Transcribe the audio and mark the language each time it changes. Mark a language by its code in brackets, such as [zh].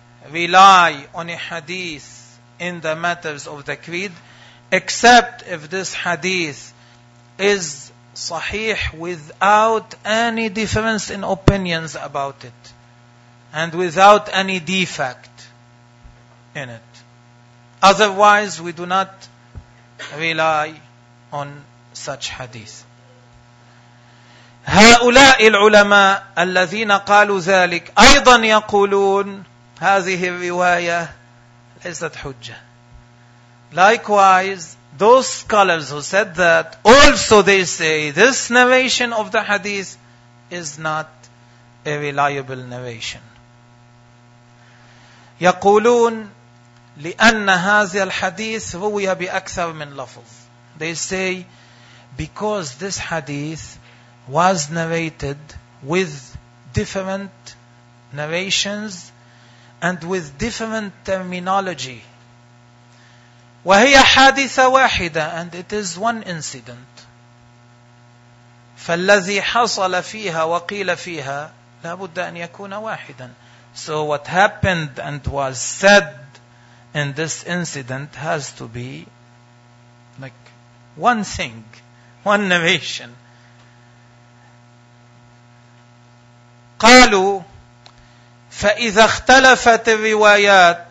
[en] rely on a hadith in the matters of the creed except if this hadith is sahih without any difference in opinions about it and without any defect in it. Otherwise, we do not rely on such hadith. [ar] هؤلاء العلماء الذين قالوا ذلك أيضا يقولون هذه الرواية ليست حجة. [en] Likewise, those scholars who said that, also they say this narration of the hadith is not a reliable narration. [ar] يقولون لأن هذا الحديث روي بأكثر من لفظ. [en] They say because this hadith was narrated with different narrations and with different terminology. [ar] وهي حادثة واحدة, [en] and it is one incident. [ar] فالذي حصل فيها وقيل فيها لابد أن يكون واحدا. [en] So what happened and was said in this incident has to be like one thing, one narration. [ar] قالوا فإذا اختلفت الروايات.